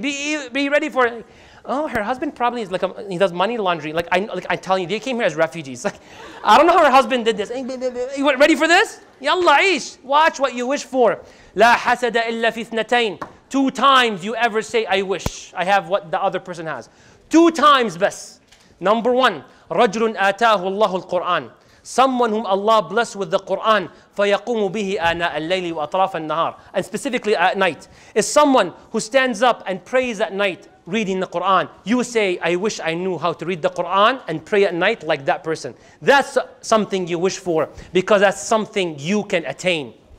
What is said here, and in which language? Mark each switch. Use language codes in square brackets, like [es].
[en] Be ready for it. Oh, her husband probably is like, he does money laundering. Like I'm telling you, they came here as refugees. Like, I don't know how her husband did this. You weren't ready for this? Yalla, ish. Watch what you wish for. [ar] La hasada illa fi thnatain. [en] Two times you ever say, I wish I have what the other person has. Two times best. Number one, [ar] رَجْلٌ آتَاهُ اللَّهُ الْقُرْآنِ. [en] Someone whom Allah blessed with the Qur'an, [ar] فَيَقُومُ بِهِ آنَاءَ اللَّيْلِ وَأَطْرَافَ النَّهَارِ. [en] And specifically at night. Is someone who stands up and prays at night reading the Qur'an. You say, I wish I knew how to read the Qur'an and pray at night like that person. That's something you wish for, because that's something you can attain.